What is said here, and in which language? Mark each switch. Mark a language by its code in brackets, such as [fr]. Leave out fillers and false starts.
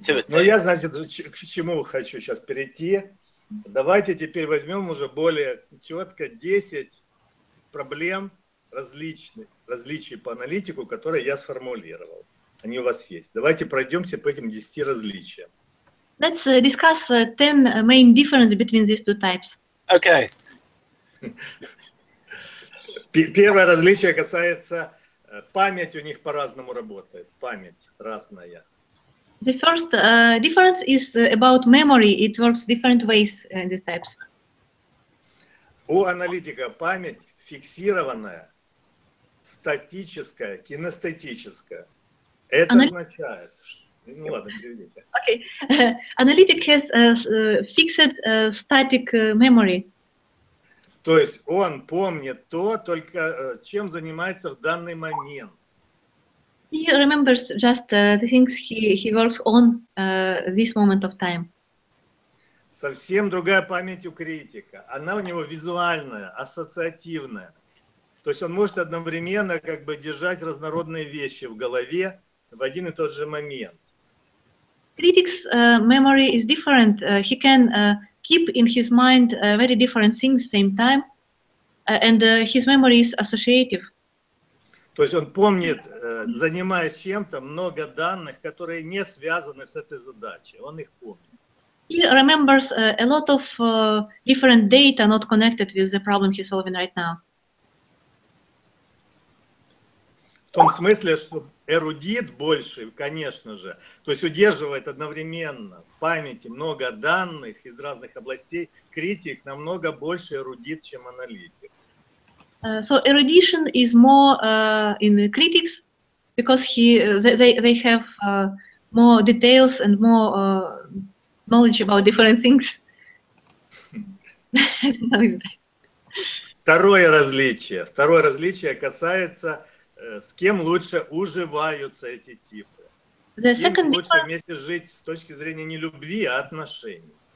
[ru] Ну, я, значит, к чему хочу сейчас перейти... Давайте теперь возьмем уже более четко 10 проблем различий по аналитику, которые я сформулировал. Они у вас есть. Давайте пройдемся по этим 10 различиям. [en] Let's discuss 10 main differences between these two types. Okay. [ru] Первое различие касается памяти, у них по-разному работает. Память разная. [en] The first difference is about memory. It works different ways in these types. [ru] У аналитика память фиксированная, статическая, кинестетическая. Это означает... Ну ладно, переведите. [en] Okay. Analytic has a fixed static memory. [ru] То есть он помнит то, только чем занимается в данный момент. [en] He remembers just the things he works on this moment of time. [ru] Совсем другая память у критика. Она у него визуальная, ассоциативная. То есть он может одновременно как бы держать разнородные вещи в голове в один и тот же момент. [en] Critic's memory is different. He can keep in his mind very different things at the same time. And his memory is associative. [ru] То есть он помнит, занимаясь чем-то, много данных, которые не связаны с этой задачей. Он их помнит. [en] He remembers a lot of different data not connected with the problem he's solving right now. [ru] В том смысле, что эрудит больше, конечно же, то есть удерживает одновременно в памяти много данных из разных областей, критик намного больше эрудит, чем аналитик. [en] So erudition is more in the critics because they have more details and more knowledge about different things. [ru] Второе различие касается с кем лучше уживаются эти типы. [en] The second [ru] лучше вместе жить с точки зрения не любви, а отношений.